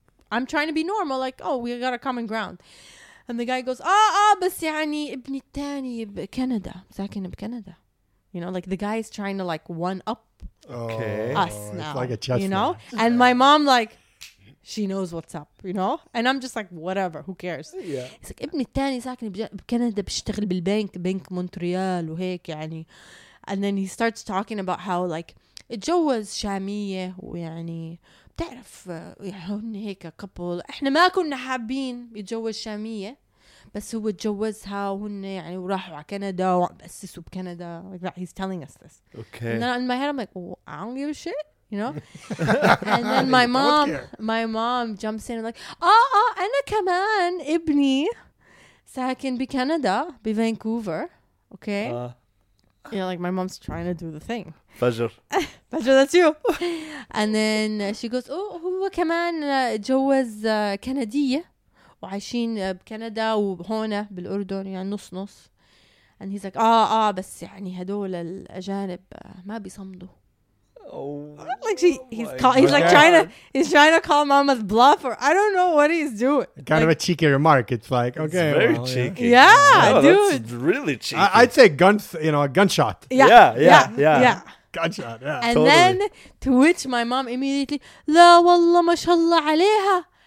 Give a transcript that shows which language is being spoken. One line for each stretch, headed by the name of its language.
English: I'm trying to be normal. Like, oh, we got a common ground. And the guy goes,
Arabic: بس يعني ابني التاني بكندا. ساكن بكندا.
English: You know, like the guy is trying to like one up okay. us oh, now. It's like a chestnut. You know? Yeah. And my mom like, she knows what's up, you know? And I'm just like, whatever, who cares? Yeah. He's like,
Arabic: ابني التاني ساكن بكندا بشتغل بالبنك, بنك مونتريال وهيك يعني.
English: And then he starts talking about how like
Arabic: اتجوز شامية ويعني بتعرف هون هيك كابل احنا ما كنا حابين يتجوز شامية بس هو اتجوزها وهن يعني وراحوا على كندا واسسوا بكندا.
English: Like that, he's telling us this. Okay. And then in my head I'm like, oh, I don't give a shit, you know? And then my mom jumps in and like,
Arabic: انا كمان ابني ساكن بكندا بفانكوفر.
English: Okay. Yeah, like my mom's trying to do the thing. Fajr. Fajr, that's you. And then she goes, oh,
Arabic: هو كمان جوز كندية وعايشين بكندا وهنا بالأردن يعني نص نص.
English: And he's like,
Arabic: بس يعني هدول الأجانب ما بيصمدوا.
English: Oh, like she, he's call, he's like trying to, he's trying to call mama's bluff, or I don't know what he's doing. Kind like, of a cheeky remark. It's like, okay, it's very well, cheeky. Yeah, yeah, no, dude, that's really cheeky. I'd say guns, you know, a gunshot. Yeah. Gunshot. Yeah. And totally. Then to which my mom immediately,
Arabic: لا والله ما شاء الله عليها.